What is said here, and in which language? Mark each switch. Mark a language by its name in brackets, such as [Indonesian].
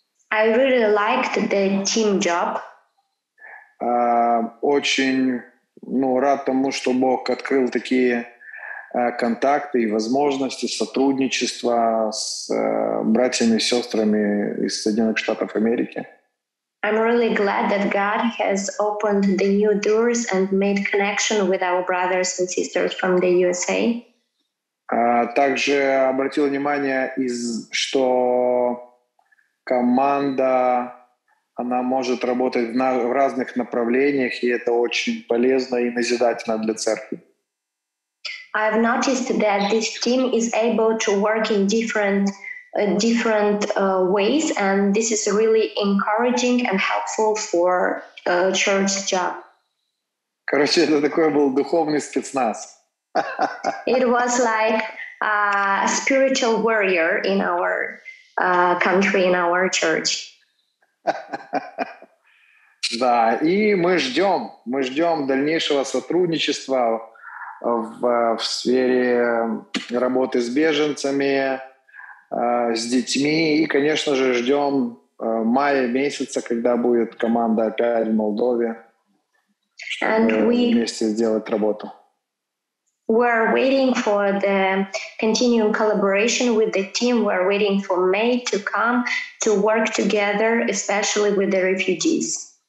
[English] I really liked the team job. [Russian] Рад тому, что Бог открыл такие контакты и возможности сотрудничества с братьями и сестрами из Соединенных Штатов Америки. [English] I'm really glad that God has opened the new doors and made connection with our brothers and sisters from the USA. [Russian] Также обратил внимание, что команда, она может работать в разных направлениях, и это очень полезно и назидательно для церкви. [English] I've noticed that this team is able to work in different ways, and this is really encouraging and helpful for a church job. [Russian] Короче, это такой был духовный спецназ. [English] It was like a spiritual warrior in our country, in our church. [Russian] Да, и мы ждем дальнейшего сотрудничества в сфере работы с беженцами, с детьми, и, конечно же, ждем мая месяца, когда будет команда опять в Молдове, чтобы вместе сделать работу. [English] We're waiting for the continuing collaboration with the team. We're waiting for May to come to work together, especially with the refugees.